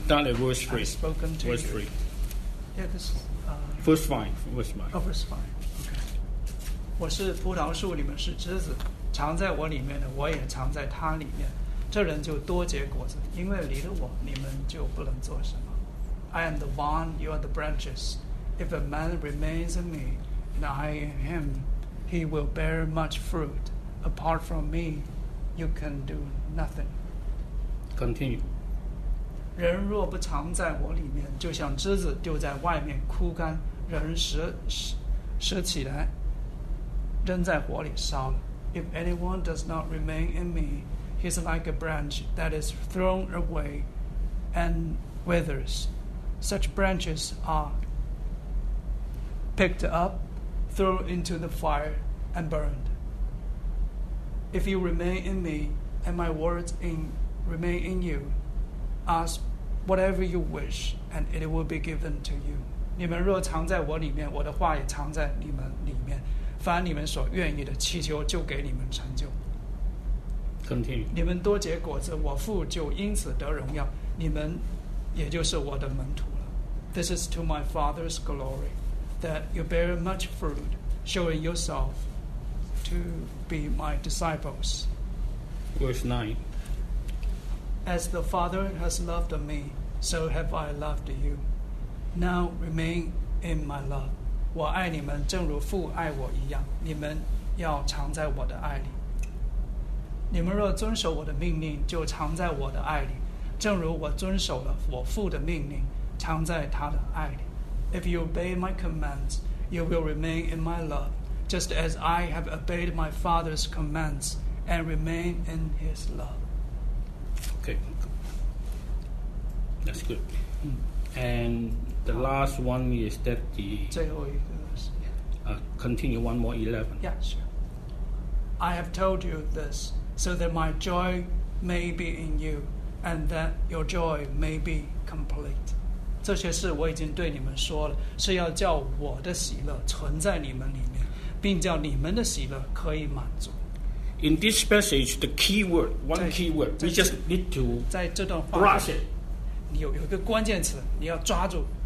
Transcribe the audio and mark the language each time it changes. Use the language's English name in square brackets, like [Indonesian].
[English] I've spoken to you. Verse 3. Yeah, this is... Verse 5. Oh, verse 5. Okay. [Chinese] 我是葡萄树，你们是枝子。藏在我里面的，我也藏在他里面。这人就多结果子，因为离了我，你们就不能做什么。 [English] I am the vine, you are the branches. If a man remains in me, and I in him, he will bear much fruit. Apart from me, you can do nothing. Continue. [Chinese] 人若不藏在我里面，就像枝子丢在外面枯干，人拾起来，扔在火里烧了。 If anyone does not remain in me, [English] He's like a branch that is thrown away and withers. Such branches are picked up, thrown into the fire, and burned. If you remain in me, and my words remain in you, ask whatever you wish, and it will be given to you. [Chinese] 你们若藏在我里面，我的话也藏在你们里面。凡你们所愿意的，祈求就给你们成就。 [English] Continue. [Chinese] 你们多结果子，我父就因此得荣耀。你们也就是我的门徒了。 [English] This is to my Father's glory, that you bear much fruit, showing yourself to be my disciples. Verse 9. As the Father has loved me, so have I loved you. Now remain in my love. [Chinese] 我爱你们，正如父爱我一样。你们要常在我的爱里。你们若遵守我的命令，就常在我的爱里，正如我遵守了我父的命令，常在他的爱里。 [English] If you obey my commands, you will remain in my love, just as I have obeyed my Father's commands and remain in His love. Okay, that's good. And the last one is that the [Chinese] 最后一个是 [English] continue one more 11. Yeah, sure. I have told you this. So that my joy may be in you, and that your joy may be complete. [Chinese] 这些事我已经对你们说了，是要叫我的喜乐存在你们里面，并叫你们的喜乐可以满足。 [English] In this passage, the key word, one key word, we just need to [Chinese] 在这段话 [English] grasp it. [Chinese] 你有一个关键词，你要抓住。